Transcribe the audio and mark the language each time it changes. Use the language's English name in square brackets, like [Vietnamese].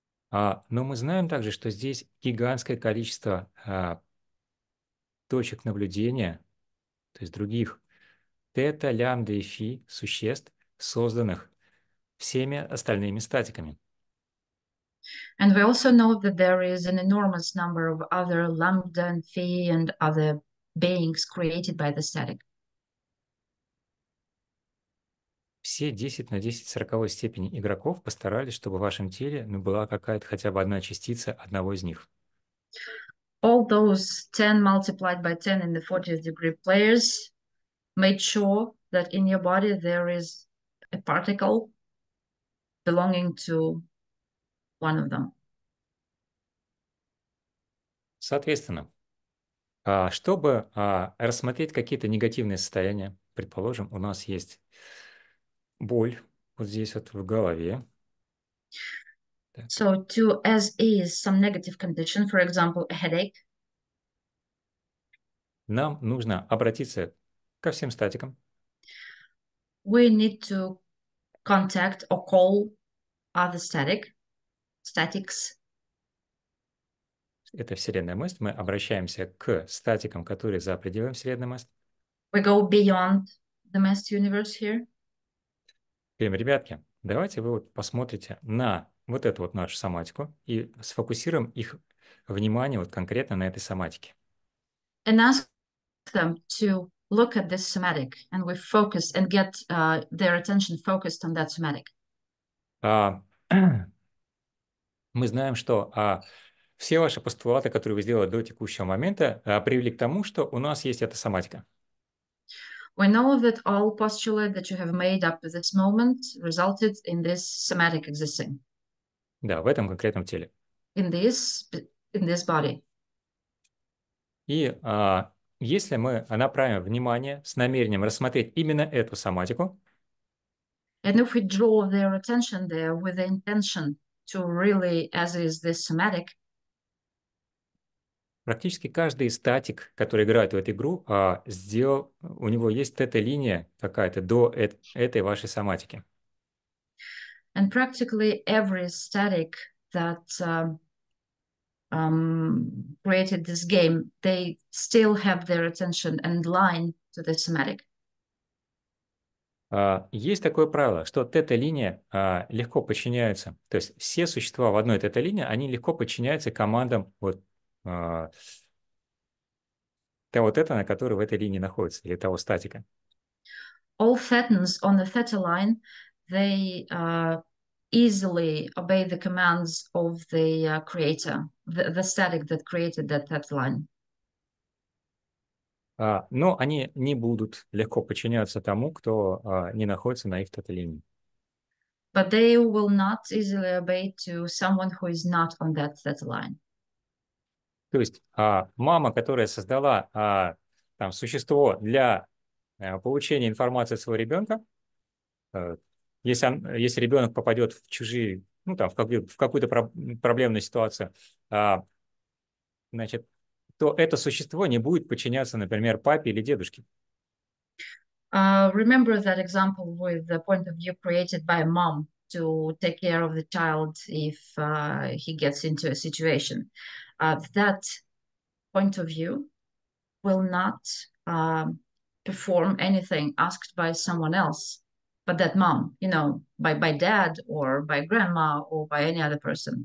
[Russian] Но мы знаем также, что здесь гигантское количество точек наблюдения, то есть других тета, лямбда и фи существ, созданных всеми остальными статиками. [English] And we also know that there is an enormous number of other lambda and phi and other beings created by the static. [Russian] Все 10 на 10 сороковой степени игроков постарались, чтобы в вашем теле была какая-то хотя бы одна частица одного из них. [English] All those 10 multiplied by 10 in the 40th degree players made sure that in your body there is a particle belonging to one of them. [Russian] Соответственно, чтобы рассмотреть какие-то негативные состояния, предположим, у нас есть боль вот здесь вот в голове. [English] So to as is some negative condition, for example, a headache. [Russian] Нам нужно обратиться ко всем статикам. [English] We need to contact or call other statics. [Russian] Это вселенная мысль. Мы обращаемся к статикам, которые за пределами вселенной мысли. [English] We go beyond the mass universe here. [Russian] Теперь, ребятки, давайте вы вот посмотрите на вот эту вот нашу соматику и сфокусируем их внимание вот конкретно на этой соматике. [English] And ask them to look at this somatic, and we focus and get their attention focused on that somatic. [Russian] Мы знаем, что все ваши постулаты, которые вы сделали до текущего момента, привели к тому, что у нас есть эта соматика. [English] We know that all postulates that you have made up to this moment resulted in this somatic existing. [Russian] Да, в этом конкретном теле. [English] In this body. [Russian] И если мы направим внимание с намерением рассмотреть именно эту соматику, [English] and if we draw their attention there with the intention to really, as is this somatic, [Russian] практически каждый статик, который играет в эту игру, сделал, у него есть тета-линия какая-то до этой вашей соматики. [English] And practically every static that created this game, they still have their attention and line to the somatic. [Russian] Есть такое правило, что тета-линия легко подчиняется. То есть все существа в одной тета-линии, они легко подчиняются командам вот того тета, на который в этой линии находится, или того статика. [English] All thetans on the theta line, they easily obey the commands of the creator, the static that created that theta line. [Russian] Но они не будут легко подчиняться тому, кто не находится на их тета линии. [English] But they will not easily obey to someone who is not on that theta line. [Russian] То есть мама, которая создала там существо для получения информации от своего ребенка, если ребенок попадет в чужие, ну там в какую-то проблемную ситуацию, значит, то это существо не будет подчиняться, например, папе или дедушке. [English] Remember that example with the point of view created by mom to take care of the child if he gets into a situation. That point of view will not perform anything asked by someone else, but that mom, you know, by dad or by grandma or by any other person.